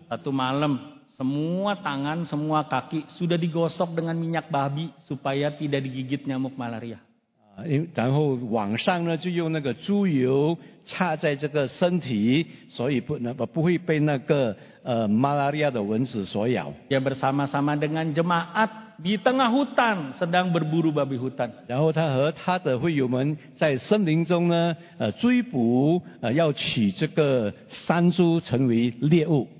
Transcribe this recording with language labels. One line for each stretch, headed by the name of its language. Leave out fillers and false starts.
Indonesian: Satu malam, semua tangan, semua kaki sudah digosok dengan minyak babi supaya tidak digigit nyamuk malaria.
Chinese: 然后晚上呢，就用那个猪油擦在这个身体，所以不会被那个malaria的蚊子所咬。
Indonesian: Dia bersama-sama dengan jemaat di tengah hutan sedang berburu babi hutan.
Chinese: 然后他和他的会友们在森林中呢，追捕，要取这个山猪成为猎物。